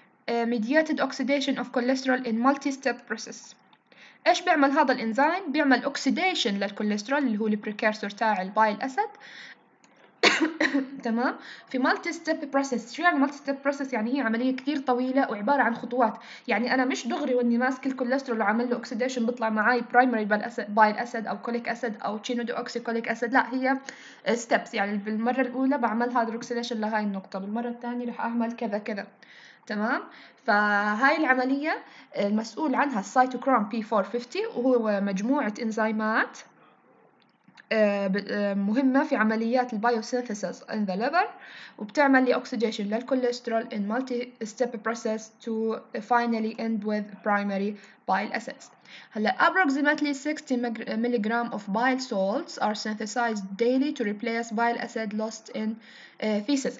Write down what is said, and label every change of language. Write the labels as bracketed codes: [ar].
[en] Mediated oxidation of cholesterol in multi-step process. [ar] إيش بيعمل هذا الإنزيم؟ بيعمل oxidation للكوليسترول اللي هو البريكيرسور تاع البايل أسيد. تمام، في مالتي ستيب بروسيس. شو يعني مالتي ستيب بروسيس؟ يعني هي عملية كثير طويلة وعبارة عن خطوات. يعني أنا مش دغري وإني ماسك الكوليسترول وعمل له أكسيديشن بطلع معاي برايمري بايل أسيد أو كوليك أسيد أو تشينودوكسي كوليك أسيد. لا، هي ستيبس. يعني بالمرة الأولى بعمل هيدروكسيليشن لهاي النقطة، بالمرة الثانية رح أعمل كذا كذا. تمام، فهاي العملية المسؤول عنها السيتوكروم P450، وهو مجموعة إنزيمات مهمة في عمليات البيوسينثيسيس [en] in the liver، [ar] وبتعمل لي oxidation للكوليسترول [en] in multi-step process to finally end with primary bile acids. هلا approximately 60 milligram of bile salts are synthesized daily to replace bile acid lost in feces.